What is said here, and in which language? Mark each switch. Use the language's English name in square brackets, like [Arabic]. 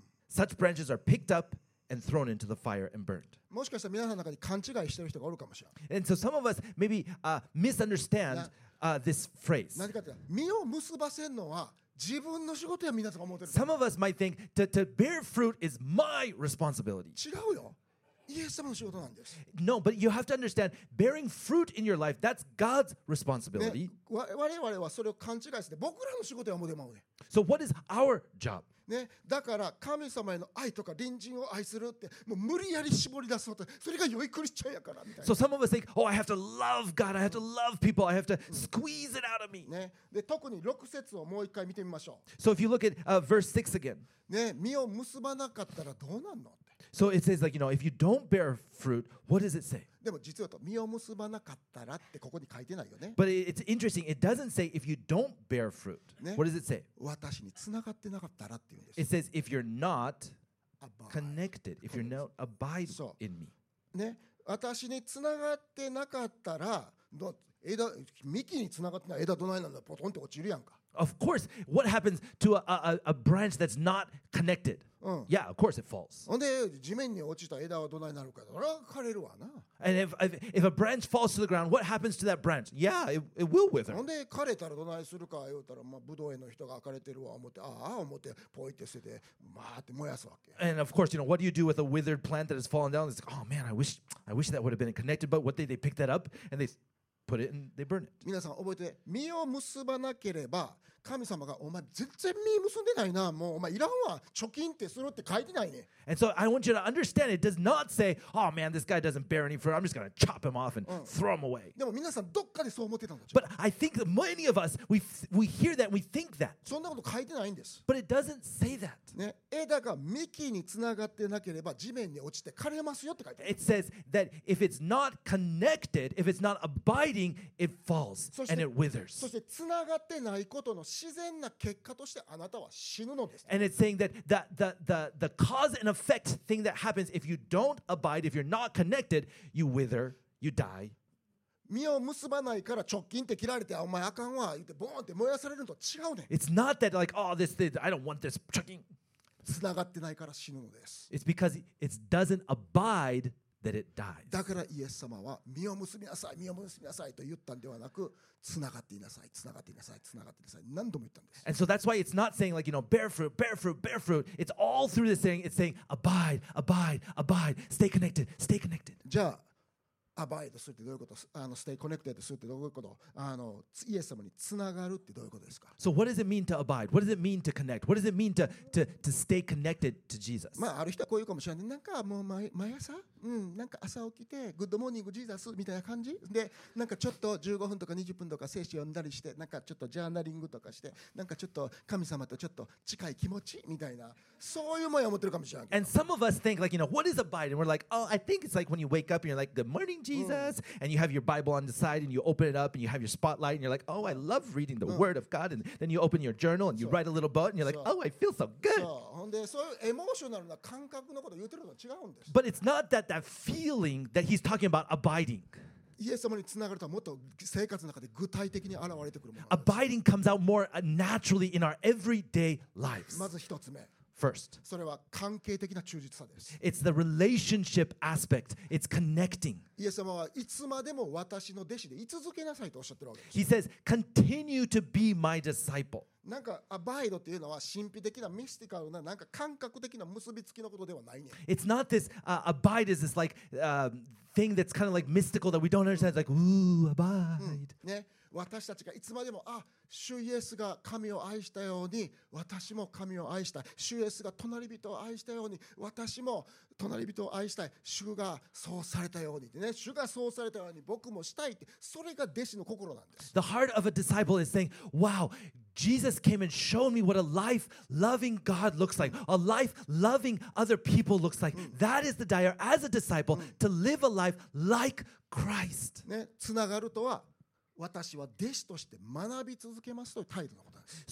[English] Such branches are picked up and thrown into the fire and burned. [Japanese] もしかしたら皆さんの中に勘違いしている人がおるかもしれない。 [English] And so some of us maybe misunderstand this phrase. [Japanese] 何かというと、実を結ばせんのは自分の仕事や、みんなとか思ってる。 [English] Some of us might think to bear fruit is my responsibility. [Japanese] 違うよ。イエス様の仕事なんです。 [English] No, but you have to understand, bearing fruit in your life, that's God's responsibility. [Japanese] 我々はそれを勘違いして、僕らの仕事は思ってまうね。 [English] So what is our job? [Japanese] ね、だから神様への愛とか隣人を愛するってもう無理やり絞り出そうと、それが良いクリスチャンやからみたいな。 [English] So some of us think, oh, I have to love God, I have to love people, I have to squeeze it out of me. [Japanese] ね、で特に6節をもう一回見てみましょう。 [English] So if you look at verse 6 again. [Japanese] ね、実を結ばなかったらどうなんのって。 [English] So it says like, you know, if you don't bear fruit, what does it say? [Japanese] でも実はと、実を結ばなかったらってここに書いてないよね。 [English] But it's interesting, it doesn't say if you don't bear fruit.、ね、 what does it say? [Japanese] 私につながってなかったらっていう。 [English] It says, if you're not connected, if you're not abiding in me. [Japanese] ね、私につながってなかったら、幹につながってない枝どないなんだ、ポトンって落ちるやんか。 [English] Of course, what happens to a branch that's not connected?、うん、 yeah, of course it falls. [Japanese] で、地面に落ちた枝はどないなるか、それは枯れるわな。 [English] And if a branch falls to the ground, what happens to that branch? Yeah, it will wither. [Japanese] で、枯れたらどないするか言うたら、まあ、ブドウ園の人が枯れてるわ思って、ああ思って、ポイって捨てて、まあって燃やすわけ。 [English] And of course, you know, what do you do with a withered plant that has fallen down? It's like, oh man, I wish that would have been connected, but what did they pick that up? And they... Put it and they burn it. [Japanese] 皆さん覚えて、実を結ばなければ神様がお前全然実結んでないな、もうお前いらんわ、貯金ってするって書いてないね。 [English] And so I want you to understand, it does not say, oh man, this guy doesn't bear any fruit, I'm just going to chop him off and、うん、throw him away. [Japanese] でも皆さんどっかでそう思ってたんだ。 [English] But I think that many of us, we hear that, we think that. [Japanese] そんなこと書いてないんです。 [English] But it doesn't say that.、 [Japanese] ね、枝が幹につながってなければ地面に落ちて枯れますよって書いてある。 [English] It says that if it's not connected, if it's not abiding, it falls and it withers. [Japanese] そしてつながってないことの自然な結果としてあなたは死ぬのです。 [English] And it's saying that the cause and effect thing that happens if you don't abide, if you're not connected, you wither, you die. [Japanese] 実を結ばないから直近って切られて、お前あかんわ言ってボーンって燃やされるのと違うね。 [English] It's not that like, oh, this thing, I don't want this, 直近。 [Japanese] つながってないから死ぬのです。 [English] It's because it doesn't abide that it dies. [Japanese] だからイエス様は実を結びなさい、実を結びなさいと言ったんではなく、つながっていなさい、つながっていなさい、つながっていなさい、何度も言ったんです。 [English] And so that's why it's not saying like, you know, bear fruit, bear fruit, bear fruit. It's all through this saying, it's saying, abide, abide, abide, stay connected, stay connected. [Japanese] じゃあ、abide するってどういうこと、 [English] stay connected [Japanese] するってどういうこと、イエス様につながるってどういうことですか。 [English] So what does it mean to abide? What does it mean to connect? What does it mean to stay connected to Jesus? [Japanese] まあ、ある人はこういうかもしれない。なんかもう毎朝、うん、なんか朝起きて、グッドモーニングジーザスみたいな感じで、なんかちょっと15分とか20分とか聖書読んだりして、なんかちょっとジャーナリングとかして、なんかちょっと神様とちょっと近い気持ちみたいな、そういうもんや思ってるかもしれない。 [English] And some of us think like, you know, what is abide? And we're like, oh, I think it's like when you wake up and you're like, good morning, Jesus.、うん、and you have your Bible on the side and you open it up and you have your spotlight and you're like, oh, I love reading the、うん、word of God. And then you open your journal and you write a little book and you're like, oh, I feel so good. [Japanese] ほんで、そういうエモーショナルな感覚のこと言ってるのは違うんです。 [English] But it's not that that feeling that he's talking about abiding. [Japanese] イエス様につながるとはもっと生活の中で具体的に現れてくるものです。 [English] Abiding comes out more naturally in our everyday lives. [Japanese] まず一つ目。 [English] First. [Japanese] それは関係的な忠実さです。 [English] It's the relationship aspect. It's connecting. [Japanese] イエス様はいつまでも私の弟子で居続けなさいとおっしゃってるわけです。 [English] He says, continue to be my disciple. [Japanese] なんかアバイドっていうのは神秘的なミスティカルななんか感覚的な結びつきのことではないね。 [English] It's not this abide is this like thing that's kind of like mystical that we don't understand. It's like ooh abide、うん、ね。 [Japanese] 私たちがいつまでもあ、主イエスが神を愛したように私も神を愛したい、主イエスが隣人を愛したように私も隣人を愛したい、主がそうされたようにってね、主がそうされたように僕もしたいって、それが弟子の心なんです。 [English] The heart of a disciple is saying, wow, Jesus came and showed me what a life loving God looks like, a life loving other people looks like. That is the desire as a disciple to live a life like Christ. [Japanese] ね、つながるとは私は弟子として学び続けますという態度のことです。